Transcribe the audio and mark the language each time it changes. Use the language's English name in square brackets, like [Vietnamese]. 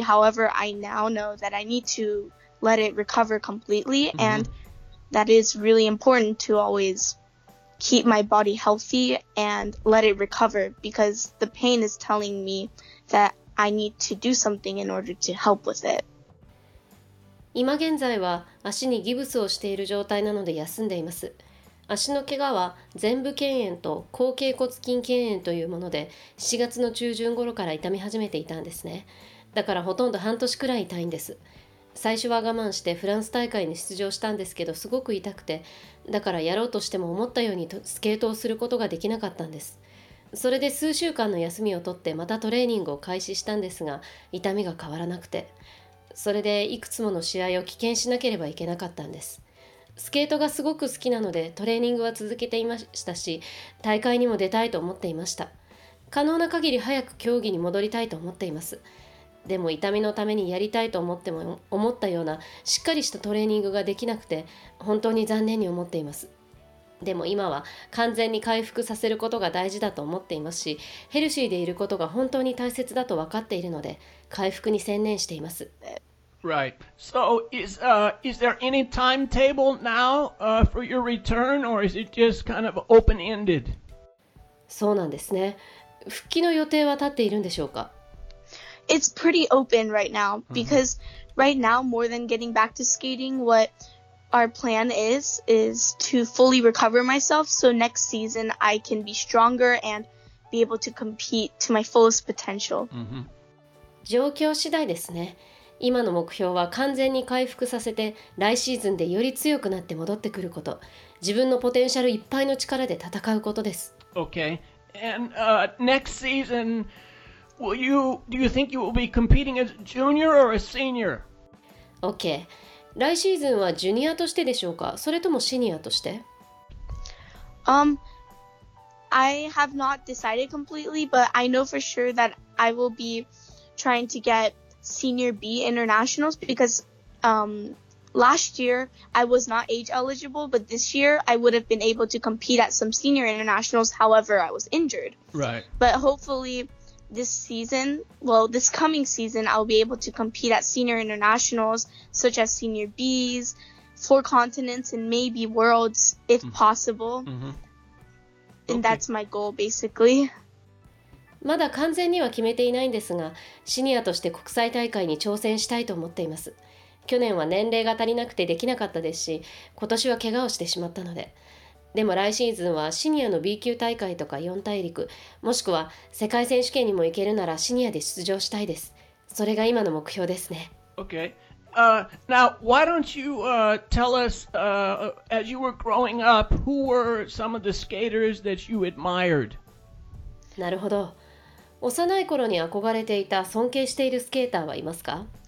[English] However, I now know that I need to let it recover completely, and that is really important to always keep my body healthy and let it recover because the pain is telling me that I need to do something in order to help with it. [Japanese] 今現在は足にギブスをしている状態なので休んでいます。足の怪我は前部腱炎と後脛骨筋腱炎というもので、4月の中旬頃から痛み始めていたんですね。だからほとんど半年くらい痛いんです。最初は我慢してフランス大会に出場したんですけど、すごく痛くて、だからやろうとしても思ったようにスケートをすることができなかったんです。それで数週間の休みを取ってまたトレーニングを開始したんですが、痛みが変わらなくて。それでいくつもの試合を棄権しなければいけなかったんです。スケートがすごく好きなのでトレーニングは続けていましたし、大会にも出たいと思っていました。可能な限り早く競技に戻りたいと思っています。でも痛みのためにやりたいと思っても思ったようなしっかりしたトレーニングができなくて本当に残念に思っています。でも今は完全に回復させることが大事だと思っていますし、ヘルシーでいることが本当に大切だと分かっているので回復に専念しています。 [English] Right. So is there any timetable now for your return, or is it just kind of open-ended? [Japanese] そうなんですね。復帰の予定は立っているんでしょうか? [English] It's pretty open right now because right now more than getting back to skating, what our plan is to fully recover myself so next season I can be stronger and be able to compete to my fullest potential. [Japanese] 状況次第ですね。今の目標は完全に回復させて、来シーズンでより強くなって戻ってくること、自分のポテンシャルいっぱいの力で戦うことです。 [English] Okay. And next season, do you think you will be competing as a junior or a senior? Okay. [Japanese] 来シーズンはジュニアとしてでしょうか、それともシニアとして? [English] I have not decided completely, but I know for sure that I will be trying to get Senior B Internationals because last year I was not age eligible, but this year I would have been able to compete at some senior internationals. However, I was injured. Right. But hopefully this coming season, I'll be able to compete at senior internationals such as senior B's, four continents, and maybe worlds if possible. Mm-hmm. And that's my goal basically. [Japanese] まだ完全には決めていないんですが、シニアとして国際大会に挑戦したいと思っています。去年は年齢が足りなくてできなかったですし、今年は怪我をしてしまったので。でも来シーズンはシニアの B 級大会とか四大陸、もしくは世界選手権にも行けるならシニアで出場したいです。それが今の目標ですね。 [English] Okay. Now, why don't you tell us, as you were growing up, who were some of the skaters that you admired? [Japanese] なるほど。幼い頃に憧れていた、尊敬しているスケーターはいますか?